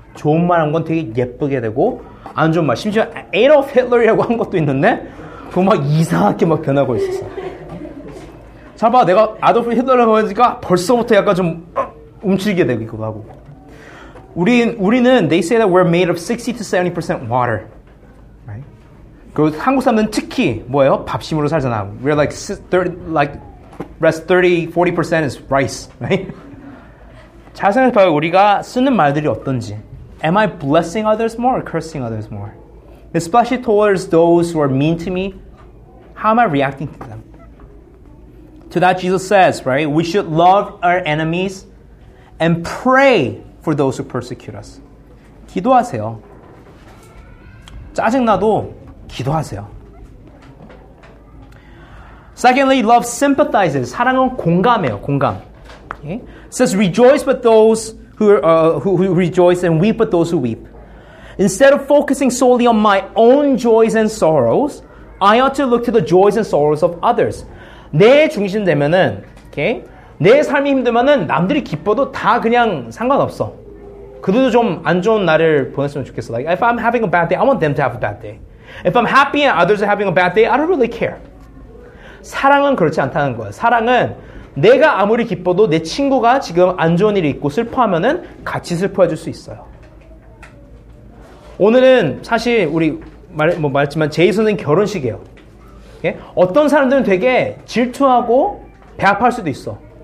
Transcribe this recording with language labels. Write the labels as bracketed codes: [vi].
[ko] 좋은 말 한 건 되게 예쁘게 되고 안 좋은 말, 심지어 Adolf Hitler이라고 한 것도 있는데 그거 막 이상하게 막 변하고 있었어. 자 봐, 내가 Adolf Hitler라고 하니까 벌써부터 약간 좀 움츠리게 되기도 하고. 우리는 [en] they say that we're made of 60-70% water. Right? [ko] 그 한국 사람들은 특히 뭐예요? 밥심으로 살잖아. [en] We're like 30-40% is rice, right? [ko] 잘 생각해 봐요. 우리가 쓰는 말들이 어떤지. [en] Am I blessing others more or cursing others more? Especially towards those who are mean to me, how am I reacting to them? To that Jesus says, right? We should love our enemies and pray for those who persecute us. [ko] 기도하세요. 짜증나도 기도하세요. [en] Secondly, love sympathizes. [ko] 사랑은 공감해요. 공감. [en] Okay? It says rejoice with those who rejoice and weep with those who weep. Instead of focusing solely on my own joys and sorrows, I ought to look to the joys and sorrows of others. [ko] 내 중심 되면은 okay? 내 삶이 힘들면은 남들이 기뻐도 다 그냥 상관없어. 그들도 좀 안 좋은 날을 보냈으면 좋겠어. [en] Like, if I'm having a bad day, I want them to have a bad day. If I'm happy and others are having a bad day, I don't really care. [ko] 사랑은 그렇지 않다는 거야. 사랑은 내가 아무리 기뻐도 내 친구가 지금 안 좋은 일이 있고 슬퍼하면은 같이 슬퍼해 줄 수 있어요. 오늘은 사실 우리 말했지만 제이 선생님 결혼식이에요. 예? 어떤 사람들은 되게 질투하고 배합할 수도 있어.